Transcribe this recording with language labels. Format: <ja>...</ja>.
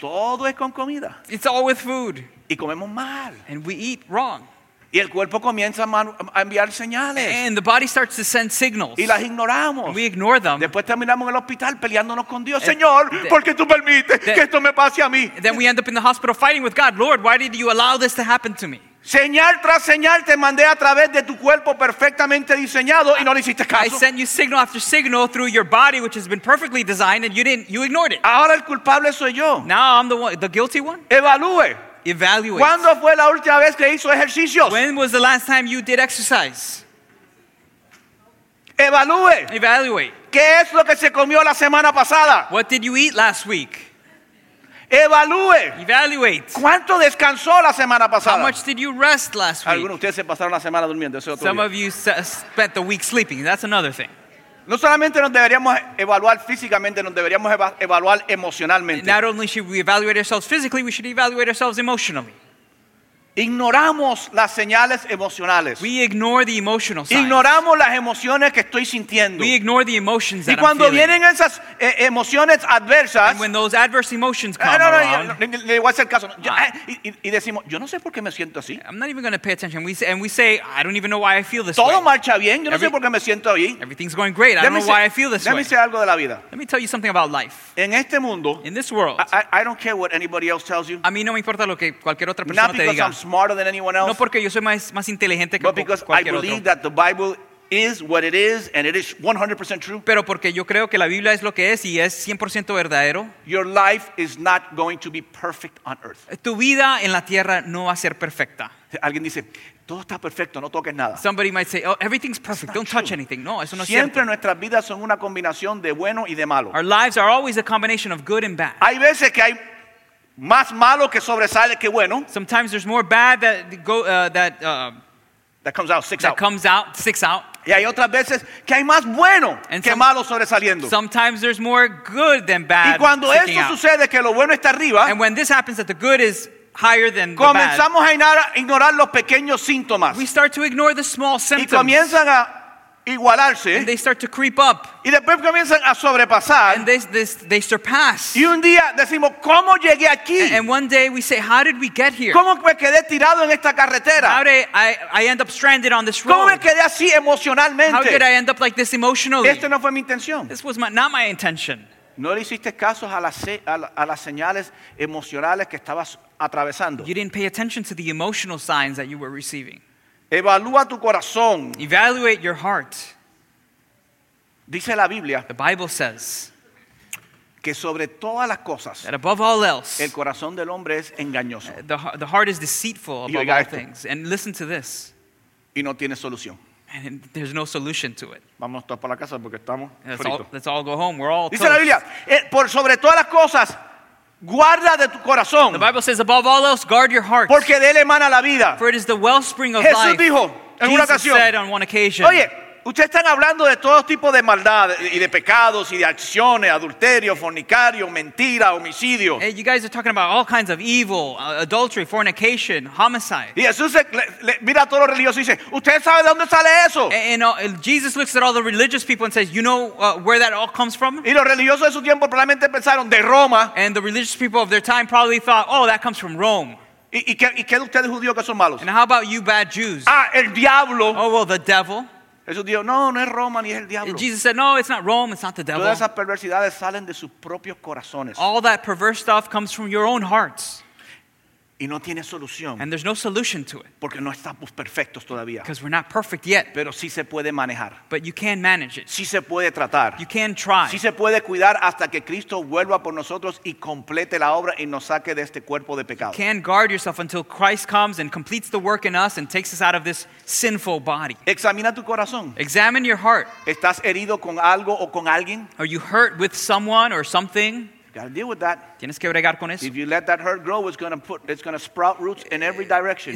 <es>Todo es con comida.</es> <en>It's all with food.</en> <es>Y comemos mal.</es> <en>And we eat wrong.</en> <es>Y el cuerpo comienza a enviar señales.</es> <en>And the body starts to send signals.</en> <es>Y las ignoramos.</es> <en>And we ignore them.</en> <es>Después terminamos en el hospital peleándonos con Dios. Señor, ¿por qué tú permites que esto me pase a mí?</es> <en>Then we end up in the hospital fighting with God. Lord, why did you allow this to happen to me?</en> <es>Señal tras señal te mandé a través de tu cuerpo perfectamente diseñado y no le hiciste caso.</es> <en>I sent you signal after signal through your body which has been perfectly designed and you ignored it.</en> <es>Ahora el culpable soy yo.</es> <en>Now I'm the one, the guilty one.</en> <es>Evalúe.</es> <en>Evaluate.</en> <es>¿Cuándo fue la última vez que hizo ejercicios?</es> <en>When was the last time you did exercise?</en> <es>Evalúe.</es> <en>Evaluate.</en> <es>¿Qué es lo que se comió la semana pasada?</es> <en>What did you eat last week?</en> <es>Evalúe.</es> <en>Evaluate.</en> <es>¿Cuánto descansó la semana pasada?</es> <en>How much did you rest last week?</en> <es>Algunos de ustedes se pasaron la semana durmiendo. Eso es otro</es> <en>Some</en> <es>día.</es> <en>Of you spent the week sleeping. That's another thing.</en> <es>No solamente nos deberíamos evaluar físicamente, nos deberíamos evaluar emocionalmente.</es> <en>Not only should we evaluate ourselves physically, we should evaluate ourselves emotionally.</en> <es>Ignoramos las señales emocionales.</es> <en>We ignore the emotional signs.</en> <es>Ignoramos las emociones que estoy sintiendo.</es> <en>We ignore the emotions that I'm feeling.</en> <es>Y cuando vienen esas emociones adversas,</es> <en>and when those adverse emotions come along,</en> <es>le voy a hacer caso. Y decimos, yo no sé por qué me siento así.</es> <en>I'm not even going to pay attention. We say, I don't even know why I feel this</en> <es>Todo</es> <en>way.</en> <es>Todo marcha bien. Yo no sé por qué me siento ahí.</es> <en>Everything's going great. I don't know why I feel this way. Let me say</en> <es>algo de la vida.</es> <en>Let me tell you something about life.</en> <es>En este mundo,</es> <en>in this world, I don't care what anybody else tells you.</en> <es>A mí no me importa lo que cualquier otra persona te diga.</es> <en>Smarter than anyone else.</en> <es>No porque yo soy más inteligente que cualquier otro.</es> <en>But because I believe that the Bible is what it is and it is 100% true.</en> <es>Pero porque yo creo que la Biblia es lo que es y es 100% verdadero.</es> <en>Your life is not going to be perfect on earth.</en> <es>Tu vida en la tierra no va a ser perfecta. Alguien dice, todo está perfecto, no toques nada.</es> <en>Somebody might say, oh, everything's perfect, don't touch anything.</en> <es>No, eso no es cierto. Siempre nuestras vidas son una combinación de bueno y de malo.</es> <en>Our lives are always a combination of good and bad.</en> <es>Hay veces que hay más malo que sobresale que bueno.</es> <en>Sometimes there's more bad that comes out.</en> <es>Y hay otras veces que hay más bueno que malo sobresaliendo.</es> <en>Sometimes there's more good than bad.</en> <es>Y cuando eso sucede, que lo bueno está arriba.</es> <en>And when this happens, that the good is higher than the</en> <es>comenzamos</es> <en>bad.</en> <es>Comenzamos a ignorar los pequeños síntomas.</es> <en>We start to ignore the small symptoms.</en> <es>Y comienzan a igualarse.</es> <en>And they start to creep up.</en> <es>Y después comienzan a sobrepasar.</es> <en>And they surpass.</en> <es>Y un día decimos, ¿cómo llegué aquí?</es> <en>And one day we say, how did we get here?</en> <es>¿Cómo me quedé tirado en esta carretera?</es> <en>How did I end up stranded on this road?</en> <es>¿Cómo me quedé así emocionalmente?</es> <en>How did I end up like this emotionally?</en> <es>Esto no fue mi intención.</es> <en>This was not my intention.</en> <es>No le hiciste caso a las señales emocionales que estabas atravesando.</es> <en>You didn't pay attention to the emotional signs that you were receiving.</en> <es>Evalúa tu corazón.</es> <en>Evaluate your heart.</en> <es>Dice la Biblia.</es> <en>The Bible says</en> <es>que sobre todas las cosas,</es> <en>that above all else,</en> <es>el corazón del hombre es engañoso.</es> <en>The heart is deceitful above all things. And listen to this.</en> <es>Y no tiene solución.</es> <en>And there's no solution to it.</en> <es>Vamos todos para la casa porque estamos fritos.</es> <en>Let's all go home. We're all toast.</en> <es>Dice la Biblia, por sobre todas las cosas, guarda de tu corazón.</es> <en>The Bible says, above all else, guard your heart.</en> <es>Porque de él emana la vida.</es> <en>For it is the wellspring of</en> <es>Jesús</es> <en>life.</en> <es>Jesús dijo en</es> <en>Jesus</en> <es>una ocasión.</es> <en>Said on one occasion,</en> <es>oye, ustedes están hablando de todo tipo de maldad y de pecados y de acciones, adulterio, fornicario, mentira, homicidio.</es> <en>Hey, you guys are talking about all kinds of evil, adultery, fornication, homicide.</en> <es>Y Jesús mira a todos los religiosos y dice, ¿ustedes saben de dónde sale eso?</es> <en>And Jesus looks at all the religious people and says, you know where that all comes from?</en> <es>Y los religiosos de su tiempo probablemente pensaron de Roma.</es> <en>And the religious people of their time probably thought, oh, that comes from Rome.</en> <es>¿Y qué de ustedes judíos que son malos?</es> <en>And how about you bad Jews?</en> <es>Ah, el diablo.</es> <en>Oh, well, the devil.</en> <es>Jesús dijo, no, no es Roma ni es el diablo.</es> <en>Jesus said, no, it's not Rome, it's not the devil.</en> <es>Todas esas perversidades salen de sus propios corazones.</es> <en>All that perverse stuff comes from your own hearts.</en> <es>Y no tiene solución.</es> <en>And there's no solution to it.</en> <es>Porque no estamos perfectos todavía.</es> <en>Because we're not perfect yet.</en> <es>Pero sí se puede manejar.</es> <en>But you can manage it.</en> <es>Sí se puede tratar.</es> <en>You can try.</en> <es>Sí se puede cuidar hasta que Cristo vuelva por nosotros y complete la obra y nos saque de este cuerpo de pecado.</es> <en>You can guard yourself until Christ comes and completes the work in us and takes us out of this sinful body.</en> <es>Examina tu corazón.</es> <en>Examine your heart.</en> <es>¿Estás herido con algo o con alguien?</es> <en>Are you hurt with someone or something? Got to deal with that.</en> <es>Tienes que bregar con eso.</es> <en>If you let that hurt grow, it's going to sprout roots in every direction.</en>